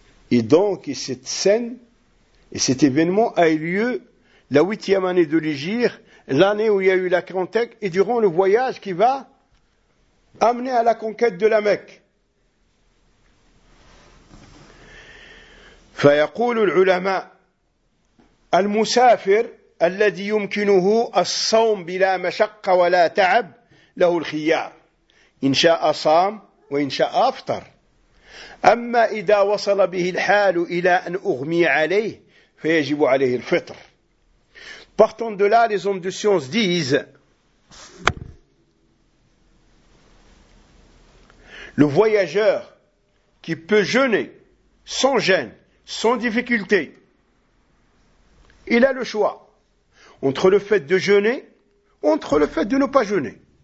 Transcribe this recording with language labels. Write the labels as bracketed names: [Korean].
[French] Et donc, et cette scène et cet événement a eu lieu la 8e année de l'Hijr, l'année où il y a eu la quarantaine et durant le voyage qui va amener à la conquête de la Mecque. [Arabic] فيقول العلماء المسافر الذي يمكنه الصوم بلا مشقة ولا تعب له الخيار إن شاء صام وإن شاء أفطر أما إذا وصل به الحال إلى أن أغمي عليه فيجب عليه الفطر. [French] Partant de là, les hommes de science disent, le voyageur qui peut jeûner sans gêne, sans difficulté, il a le choix entre le fait de jeûner, entre le fait de ne pas jeûner.